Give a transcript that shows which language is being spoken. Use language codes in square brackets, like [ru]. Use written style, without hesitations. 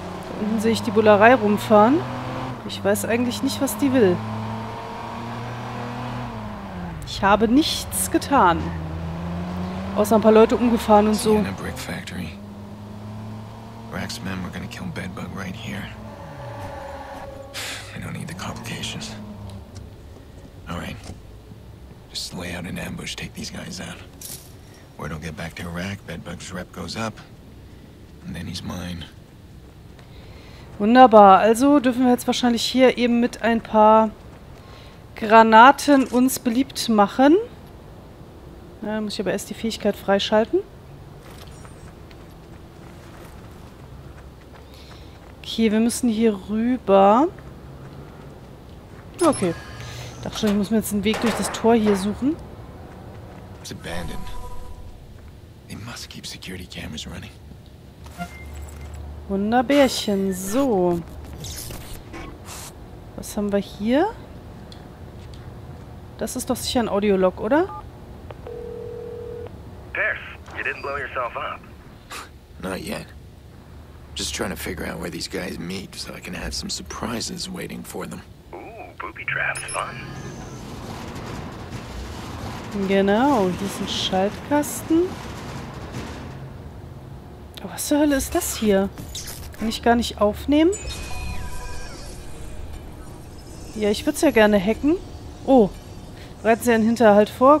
[de] Da unten sehe ich die Bullerei rumfahren. Ich weiß eigentlich nicht, was die will. Ich habe nichts getan. Außer ein paar Leute umgefahren und so. In der Brick Factory. [en] Rack's men were gonna kill Bedbug right here. I don't need the complications. Alright. Just lay out an ambush, take these guys out. Word will get back to Rack, Bedbug's rep goes up. And then he's mine. [de] Wunderbar. Also dürfen wir jetzt wahrscheinlich hier eben mit ein paar Granaten uns beliebt machen. Ja, dann muss ich aber erst die Fähigkeit freischalten. Okay, wir müssen hier rüber. Okay. Ich dachte schon, ich muss mir jetzt einen Weg durch das Tor hier suchen. Es ist [en] abandoned. They must keep security cameras running. [de] Wunderbärchen. So. Was haben wir hier? Das ist doch sicher ein Audiolog, oder? [en] Tess, you didn't blow yourself up. Not yet. Just trying to figure out where these guys meet, so I can have some surprises waiting for them. Ooh, booby traps, fun. [de] Genau, hier ist ein Schaltkasten. Was zur Hölle ist das hier? Kann ich gar nicht aufnehmen? Ja, ich würde es ja gerne hacken. Oh. Bereiten Sie einen Hinterhalt vor.